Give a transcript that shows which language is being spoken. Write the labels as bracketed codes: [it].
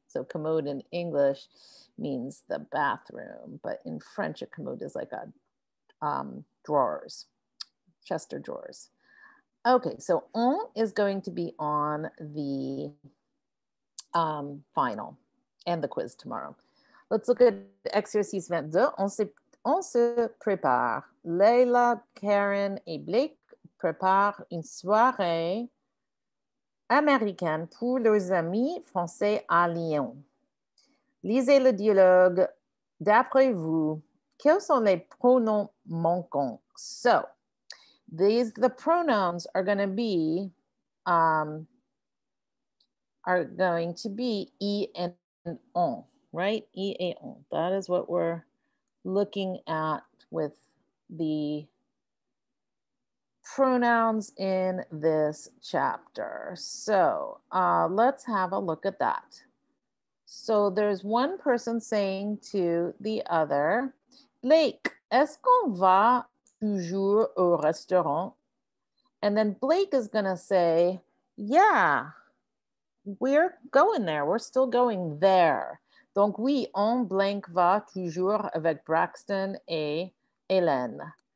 [en] So commode in English means the bathroom, but in French, a commode is like a drawers, chest of drawers. Okay, so on is going to be on the final and the quiz tomorrow. Let's look at exercice 22. [fr] On se prépare. Leila, Karen et Blake préparent une soirée américaine pour leurs amis français à Lyon. Lisez le dialogue. D'après vous, quels sont les pronoms manquants? [en] So, the pronouns are going to be I and on, right? I et on. That is what we're looking at with the pronouns in this chapter. So let's have a look at that. So there's one person saying to the other, Blake, [fr] est-ce qu'on va toujours au restaurant? [en] And then Blake is gonna say, yeah, we're going there. We're still going there. [fr] Donc, oui, on blank va toujours avec Braxton et Hélène.